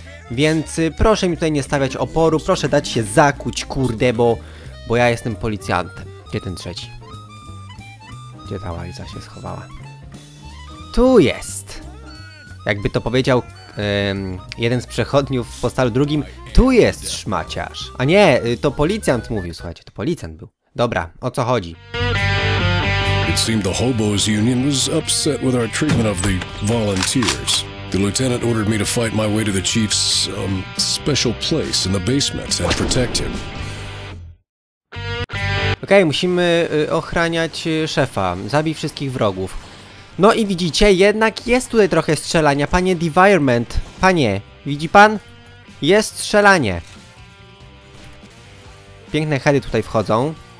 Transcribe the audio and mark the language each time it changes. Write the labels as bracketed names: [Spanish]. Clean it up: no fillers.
[Polish] Więc proszę mi tutaj nie stawiać oporu. Proszę dać się zakuć, kurde, bo ja jestem policjantem. Gdzie ten trzeci? Gdzie ta Łajza się schowała? Tu jest. Jakby to powiedział jeden z przechodniów w postalu drugim. Tu jest szmaciarz. A nie, to policjant mówił, słuchajcie, to policjant był. Dobra, o co chodzi? [English] It seemed the hobos union was upset with our treatment of the volunteers. The lieutenant ordered me to fight my way to the chief's special place in the basement and protect him. [Polish] Okej, musimy ochraniać szefa. Zabij wszystkich wrogów. No i widzicie, jednak jest tutaj trochę strzelania, panie Devirement, panie, widzi pan? Jest strzelanie. Piękne hedy tutaj wchodzą.